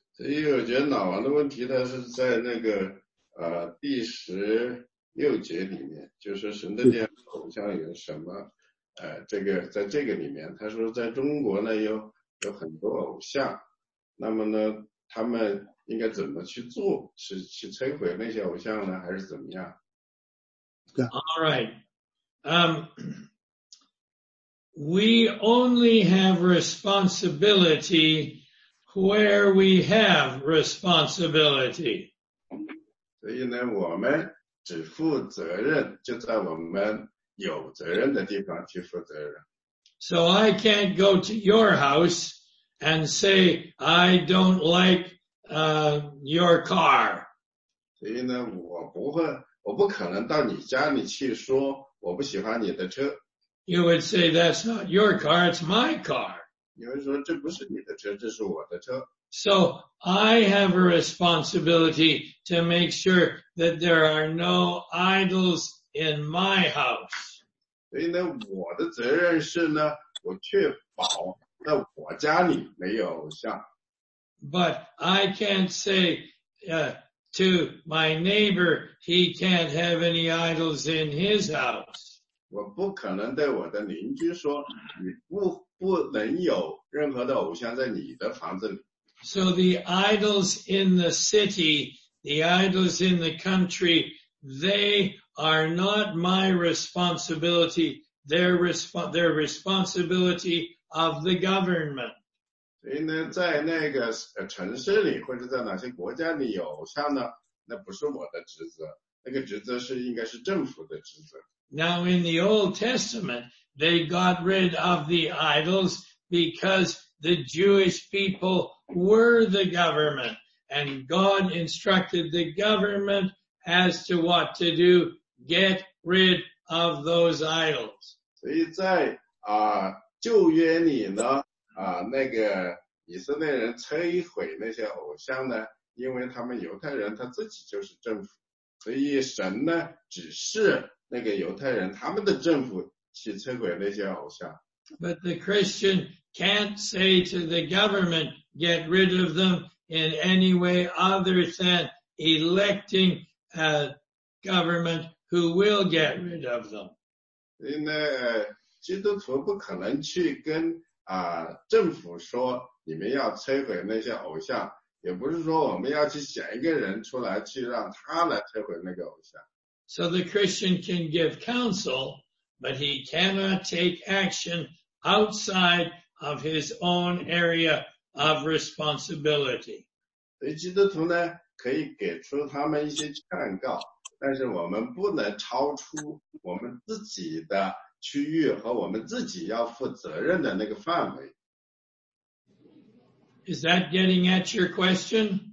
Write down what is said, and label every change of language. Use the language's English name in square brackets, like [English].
[Chinese] 所以我觉得老王的问题他是在那个第十六节里面，就是神的殿偶像有什么这个在这个里面，他说在中国呢有很多偶像，那么呢他们应该怎么去做，是去摧毁那些偶像呢，还是怎么样？ [English] All right. We only have responsibility where we have responsibility. [Chinese] 所以呢我们只负责任就在我们有责任的地方去负责任。 [English] So I can't go to your house and say I don't like your car. [Chinese] 所以呢我不可能到你家里去说我不喜欢你的车。 [English] You would say that's not your car, it's my car. [Chinese] 你会说这不是你的车，这是我的车。 [English] So I have a responsibility to make sure that there are no idols in my house. [Chinese] 所以呢，我的责任是呢，我确保在我家里没有偶像。 [English] But I can't say, to my neighbor, he can't have any idols in his house. [Chinese] 我不可能对我的邻居说，你不能有任何的偶像在你的房子里。 [English] So the idols in the city, the idols in the country, they are not my responsibility. They're responsibility of the government. [Chinese] 所以呢，在那个城市里或者在哪些国家里有偶像呢？那不是我的职责，那个职责是应该是政府的职责。 [English] Now in the Old Testament, they got rid of the idols because the Jewish people were the government, and God instructed the government as to what to do, get rid of those idols. [Chinese] 所以在旧约里呢，那个以色列人摧毁那些偶像呢，因为他们犹太人他自己就是政府，所以神呢指示那个犹太人他们的政府去摧毁那些偶像。 [English] But the Christian can't say to the government, get rid of them in any way other than electing a government who will get rid of them. [Chinese] 所以呢，基督徒不可能去跟政府说你们要摧毁那些偶像，也不是说我们要去选一个人出来去让他来摧毁那个偶像。 [English] So the Christian can give counsel, but he cannot take action outside of his own area of responsibility. [Chinese] 所以基督徒呢，可以给出他们一些劝告，但是我们不能超出我们自己的区域和我们自己要负责任的那个范围。 [English] Is that getting at your question?